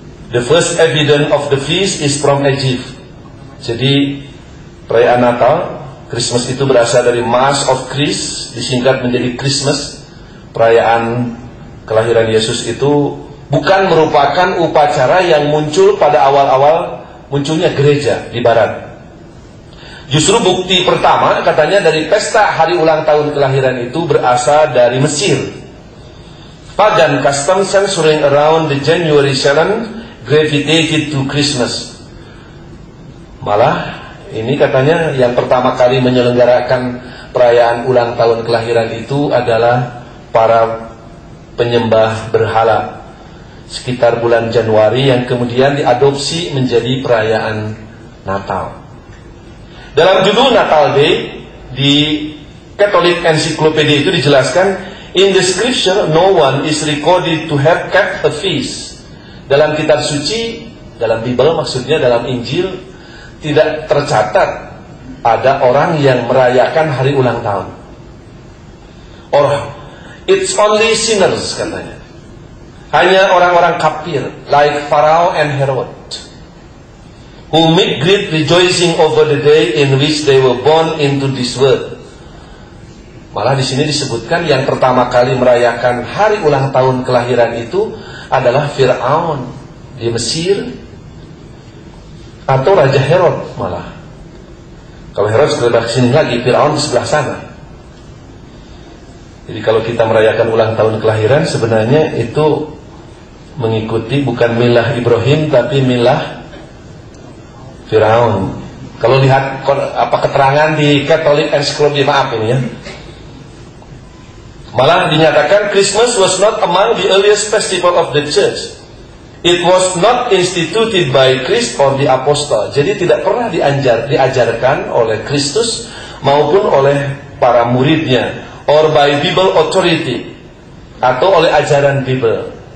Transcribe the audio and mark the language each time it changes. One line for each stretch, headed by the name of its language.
English: The first evidence of the feast is from Egypt.
Indonesian: Jadi perayaan Natal, Christmas itu berasal dari Mass of Christ, disingkat menjadi Christmas. Perayaan kelahiran Yesus itu bukan merupakan upacara yang muncul pada awal-awal munculnya gereja di barat. Justru bukti pertama katanya dari pesta hari ulang tahun kelahiran itu berasal dari Mesir.
English: Pagan customs surrounding around the January 7 gravitated to Christmas.
Indonesian: Malah ini katanya yang pertama kali menyelenggarakan perayaan ulang tahun kelahiran itu adalah para penyembah berhala sekitar bulan Januari, yang kemudian diadopsi menjadi perayaan Natal. Dalam judul Natal Day di Catholic Encyclopedia itu dijelaskan,
English: in the scripture no one is recorded to have kept a feast.
Indonesian: Dalam kitab suci, dalam Bible maksudnya, dalam Injil, tidak tercatat ada orang yang merayakan hari ulang tahun. orang.
English: It's only sinners,
Indonesian: katanya. Hanya orang-orang kafir,
English: like Pharaoh and Herod, who make great rejoicing over the day in which they were born into this world.
Indonesian: Malah di sini disebutkan yang pertama kali merayakan hari ulang tahun kelahiran itu adalah Fir'aun di Mesir, atau Raja Herod malah. Kalau Herod sebelah sini lagi, Fir'aun di sebelah sana. Jadi kalau kita merayakan ulang tahun kelahiran, sebenarnya itu mengikuti bukan milah Ibrahim, tapi milah Fir'aun. Kalau lihat apa keterangan di Catholic Encyclopedia, maaf ini ya. Malah dinyatakan
English: Christmas was not among the earliest festival of the church. It was not instituted by Christ or the apostle.
Indonesian: Jadi tidak pernah diajarkan oleh Kristus maupun oleh para muridnya,
English: or by Bible authority,
Indonesian: atau oleh ajaran Bible.